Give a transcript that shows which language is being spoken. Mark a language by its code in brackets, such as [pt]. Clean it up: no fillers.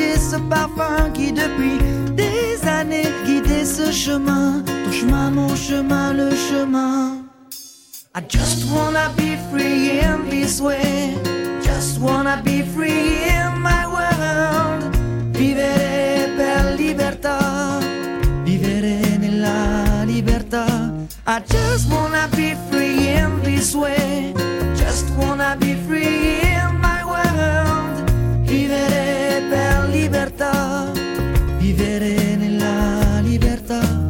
[fr] Ce parfum qui depuis des années guidait fait ce chemin, ton chemin, mon chemin, le chemin. [en] I just wanna be free in this way, just wanna be free in my world. [it] Vivere per libertà, vivere nella libertà. [en] I just wanna be free in this way, just wanna be free in my world. [it] Vivere per libertà, vivere nella libertà.